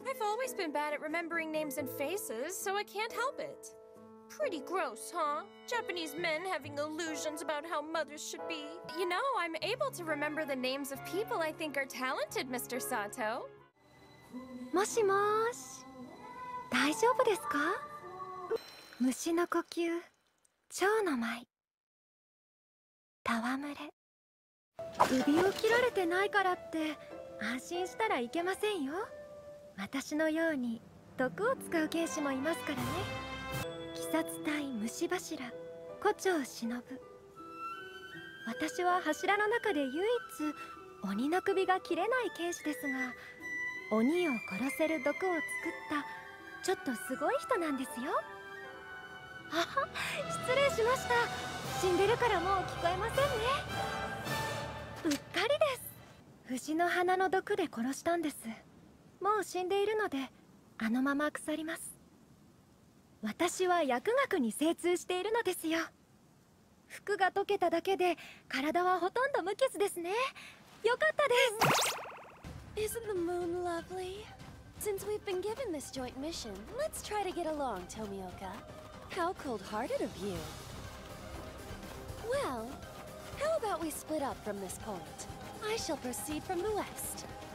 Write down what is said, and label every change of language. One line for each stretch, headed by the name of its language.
English: I've always been bad at remembering names and faces, so I can't help it. Pretty gross, huh? Japanese men having illusions about how mothers should be. You know, I'm able to remember the names of people I think are talented, Mr. Sato.
Japanese: もしもし、大丈夫ですか？虫の呼吸、蝶の舞、戯れ。首を切られてないからって安心したらいけませんよ。私のように毒を使う剣士もいますからね。鬼殺隊虫柱、胡蝶忍。私は柱の中で唯一鬼の首が切れない剣士ですが、鬼を殺せる毒を作ったちょっとすごい人なんですよ。あ、失礼しました。死んでるからもう聞こえませんね。うっかりです。藤の花の毒で殺したんです。もう死んでいるのであのまま腐ります。私は薬学に精通しているのですよ。服が溶けただけで体はほとんど無傷ですね。よかったです。
English: Isn't the moon lovely? Since we've been given this joint mission, let's try to get along, Tomioka. How cold-hearted of you. Well, how about we split up from this point? I shall proceed from the west.